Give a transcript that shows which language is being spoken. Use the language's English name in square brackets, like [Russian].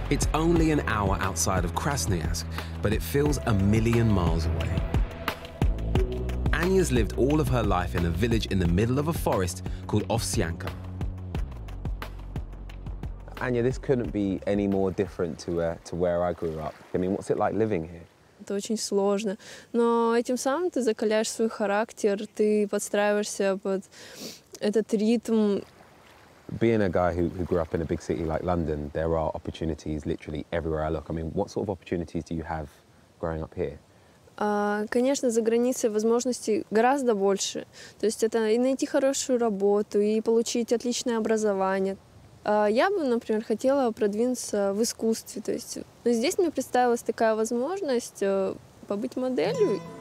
[English] It's only an hour outside of Krasnoyarsk, but it feels a million miles away. Anya's lived all of her life in a village in the middle of a forest called Ovsyanka. Anya, this couldn't be any more different to where I grew up. I mean, what's it like living here? [Russian] Это очень сложно, но этим самым ты закаляешь свой характер, ты подстраиваешься под этот ритм. [English] Being a guy who grew up in a big city like London, there are opportunities literally everywhere I look. I mean, what sort of opportunities do you have growing up here? [Russian] Конечно, за границей возможностей гораздо больше. То есть это и найти хорошую работу, и получить отличное образование. Я бы, например, хотела продвинуться в искусстве. То есть, но здесь мне представилась такая возможность побыть моделью.